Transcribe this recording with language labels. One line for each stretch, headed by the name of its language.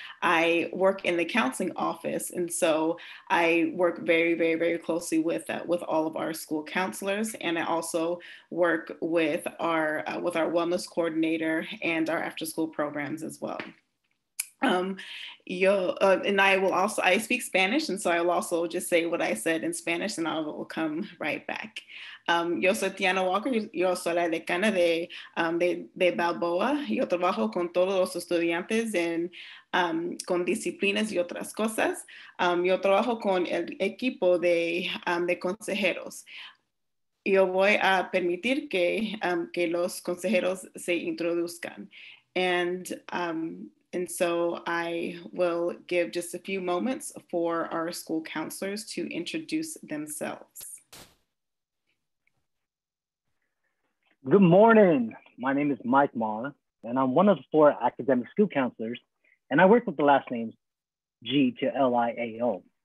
English: I work in the counseling office, and so I work very, very, very closely with all of our school counselors. And I also work with our wellness coordinator and our after-school programs as well. I speak Spanish, and so I will also just say what I said in Spanish and I will come right back.
Spanish: Yo soy Tiana Walker, yo soy la decana de Balboa. Yo trabajo con todos los estudiantes en con disciplinas y otras cosas. Yo trabajo con el equipo de consejeros. Yo voy a permitir que los consejeros se introduzcan.
English: And so I will give just a few moments for our school counselors to introduce themselves. Good morning. My name is Mike Ma, and I'm one of the four academic school counselors, and I work with the last names G to L-I-A-O.